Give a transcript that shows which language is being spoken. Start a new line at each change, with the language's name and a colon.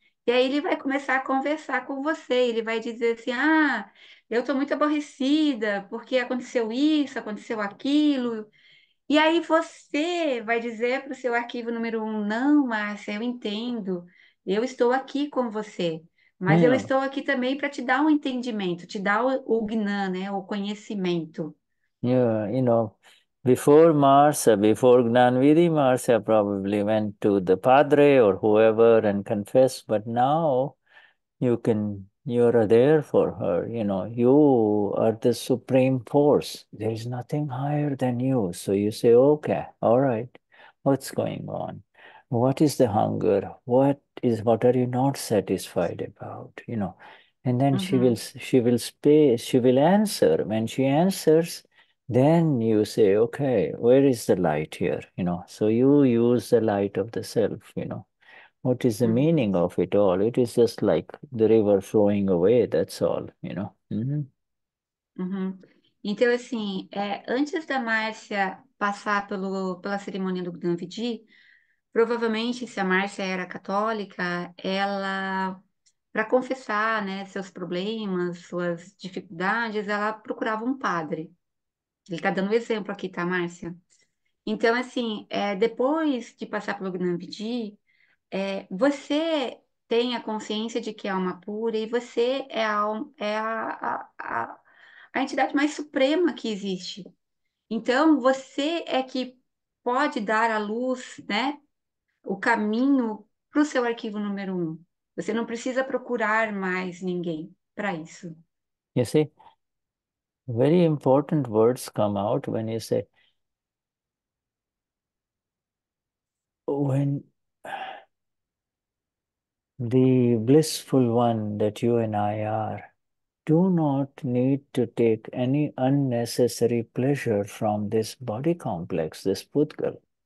Portuguese: E aí ele vai começar a conversar com você, ele vai dizer assim: ah, eu estou muito aborrecida porque aconteceu isso, aconteceu aquilo. E aí você vai dizer para o seu arquivo número um: não, Márcia, eu entendo, eu estou aqui com você, mas eu estou aqui também para te dar um entendimento, te dar o gnã, né, o conhecimento.
English: You know, before Marcia, before Gnanvidhi, Marcia probably went to the padre or whoever and confessed, but now you're there for her, you know, you are the supreme force. There is nothing higher than you. So you say, okay, all right, what's going on? What is the hunger? What are you not satisfied about? You know, and then she will answer. When she answers, then you say, okay, where is the light here? You know, so you use the light of the self, you know. What is the meaning of it all? It is just like the river flowing away, that's all, you know.
Portuguese: Então, assim, antes da Márcia passar pela cerimônia do Gnanvidhi, provavelmente, se a Márcia era católica, ela, para confessar, né, seus problemas, suas dificuldades, ela procurava um padre. Ele está dando um exemplo aqui, tá, Márcia? Então, assim, depois de passar pelo Gnanvidhi, você tem a consciência de que é alma pura e você é a entidade mais suprema que existe. Então, você é que pode dar à luz, né, o caminho para o seu arquivo número um. Você não precisa procurar mais ninguém para isso.
English: You see, very important words come out when you say, when the blissful one that you and I are, do not need to take any unnecessary pleasure from this body complex, this pudgal.